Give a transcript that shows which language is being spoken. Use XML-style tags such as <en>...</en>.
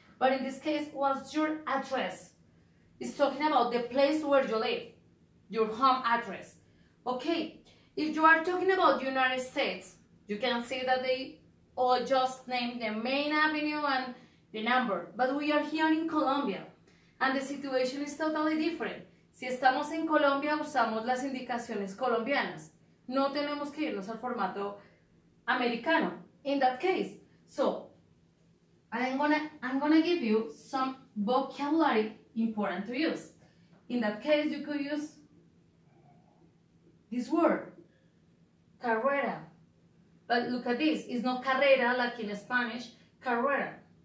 <en>But in this case, what's your address? It's talking about the place where you live. Your home address. Okay, if you are talking about United States, you can see that they all just named the main avenue and the number. But we are here in Colombia, and the situation is totally different.</en> <es>Si estamos en Colombia, usamos las indicaciones colombianas. No tenemos que irnos al formato americano.</es> <en>In that case, so I'm gonna give you some vocabulary important to use. In that case, you could use this word, carrera. But look at this, it's not carrera like in Spanish, carrera.</en>